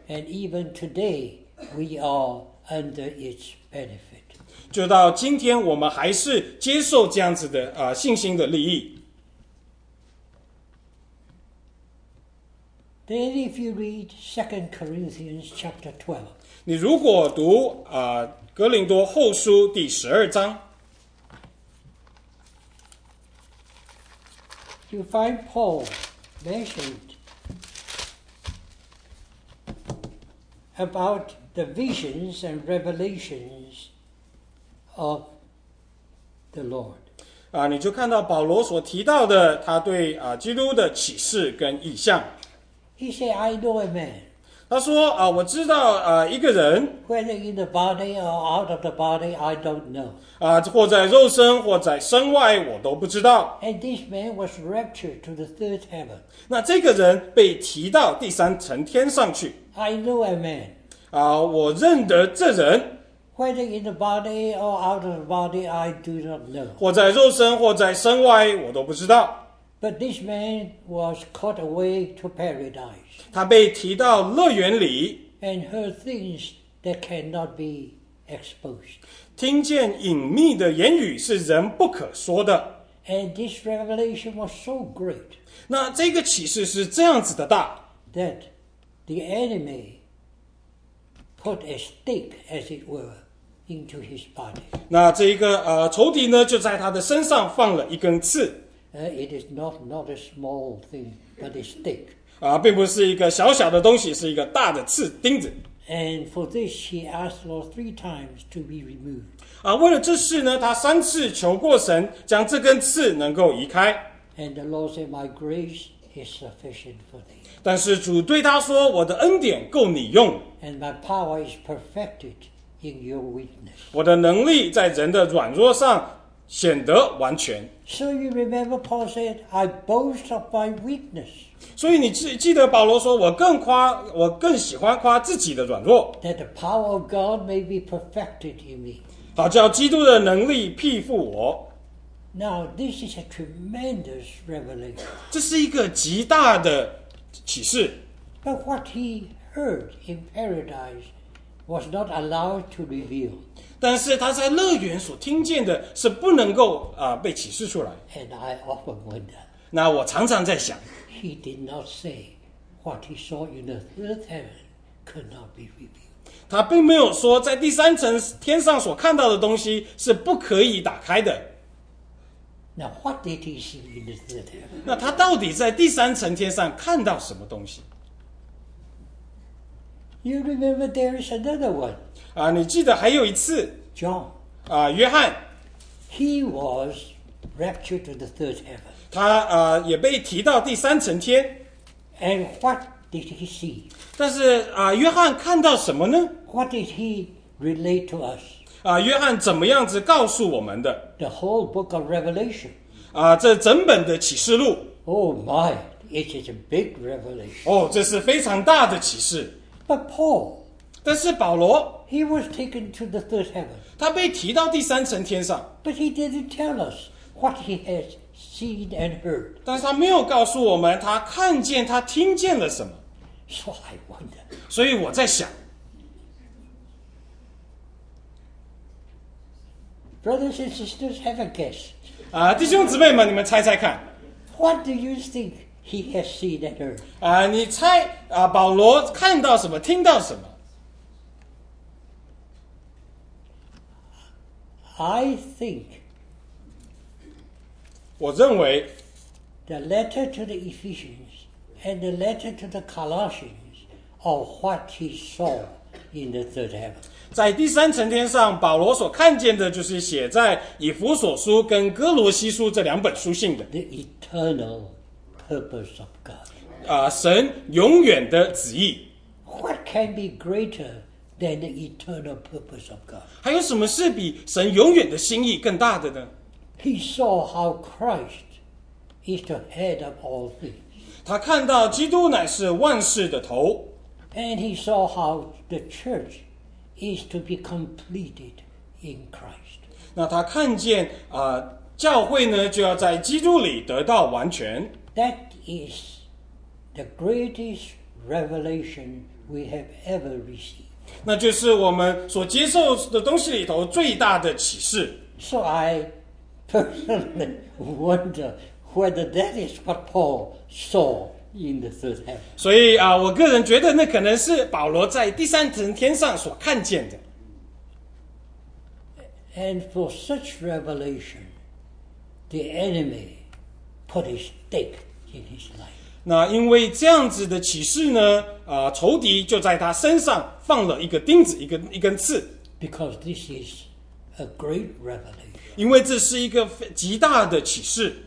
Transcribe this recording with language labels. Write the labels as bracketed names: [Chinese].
[English] And even today, we are under its benefit. [Chinese] 就到今天我们还是接受这样子的、信心的利益。 [English] Then if you read 2 Corinthians chapter 12, [Chinese] 你如果读、哥林多后书第十二章 [English] you find Paul mentioned about the visions and revelations of the Lord.、 [Chinese] 你就看到保罗所提到的他对、基督的启示跟异象。 [English] He said, I know a man. [Chinese] 他说、我知道、一个人。 [English] Whether in the body or out of the body, I don't know.、 [Chinese] 或在肉身或在身外我都不知道。 [English] And this man was raptured to the third heaven. [Chinese] 那这个人被提到第三层天上去。 [English] I know a man.、 [Chinese] 我认得这人。 [English] Whether in the body or out of the body, I do not know. [Chinese] 或在肉身或在身外我都不知道。 [English] But this man was caught away to paradise. [Chinese] 他被提到乐园里。 [English] And heard things that cannot be exposed. [Chinese] 听见隐秘的言语是人不可说的。 [English] And this revelation was so great. [Chinese] 那这个启示是这样子的大。 [English] That the enemy put a stake, as it were, into his body. [Chinese] 那这一个仇敌呢，就在他的身上放了一根刺。 [English] It is not a small thing, but a stick. [Chinese] 并不是一个小小的东西，是一个大的刺钉子。 [English] And for this, he asked Lord three times to be removed. [Chinese] 为了这事呢，他三次求过神，将这根刺能够移开。 [English] And the Lord said, "My grace is sufficient for thee." [Chinese] 但是主对他说，我的恩典够你用。 [English] And my power is perfected in your weakness. [Chinese] 我的能力在人的软弱上显得完全。 [English] So you remember, Paul said, "I boast of my weakness." [Chinese] 所以你记得保罗说，我更喜欢夸自己的软弱。 [English] That the power of God may be perfected in me. [Chinese] 好叫基督的能力庇护我。 [English] Now this is a tremendous revelation. [Chinese] 这是一个极大的启示。 [English] But what he heard in paradise was not allowed to reveal. [Chinese] 但是他在乐园所听见的是不能够被启示出来。 [English] And I often wonder. [Chinese] 那我常常在想。 [English] He did not say what he saw in the third heaven could not be revealed. [Chinese] 他并没有说在第三层天上所看到的东西是不可以打开的。 [English] Now, what did he see in the third heaven? [Chinese] 那他到底在第三层天上看到什么东西？ [English] You remember there is another one. [Chinese] 你记得还有一次。 [English] John. [Chinese] 约翰。 [English] He was raptured to the third heaven. [Chinese] 他也被提到第三层天。 [English] And what did he see? [Chinese] 但是约翰看到什么呢？ [English] What did he relate to us? [Chinese] 约翰怎么样子告诉我们的 [English] ？The whole book of Revelation. [Chinese] 这整本的启示录。 [English] Oh my, it is a big revelation. [Chinese] 这是非常大的启示。 [English] But Paul. [Chinese] 但是保罗。 [English] He was taken to the third heaven. [Chinese] 他被提到第三层天上。 [English] But he didn't tell us what he has seen and heard. [Chinese] 但是他没有告诉我们他看见他听见了什么。 [English] So I wonder. [Chinese] 所以我在想。 [English] Brothers and sisters, have a guess. [Chinese] 弟兄姊妹们，你们猜猜看。 [English] What do you think he has seen and heard? [Chinese] 你猜保罗看到什么，听到什么？ [English] I think. [Chinese] 我认为。 [English] The letter to the Ephesians and the letter to the Colossians are what he saw in the third heaven. [Chinese] 在第三层天上，保罗所看见的就是写在以弗所书跟哥罗西书这两本书信的。 [English] The eternal purpose of God. [Chinese] 神永远的旨意。 [English] What can be greater than the eternal purpose of God? [Chinese] 还有什么是比神永远的心意更大的呢？ [English] He saw how Christ is the head of all things. [Chinese] 他看到基督乃是万事的头。 [English] And he saw how the church. Is to be completed in Christ. [Chinese] 那他看见教会呢就要在基督里得到完全。 [English] That is the greatest revelation we have ever received. [Chinese] 那就是我们所接受的东西里头最大的启示。 [English] So I personally wonder whether that is what Paul saw. In the third heaven. [Chinese] 所以我个人觉得那可能是保罗在第三层天上所看见的。 [English] And for such revelation, the enemy put a stake in his life. [Chinese] 那因为这样子的启示呢，仇敌就在他身上放了一个钉子，一根刺。 [English] Because this is a great revelation. [Chinese] 因为这是一个极大的启示。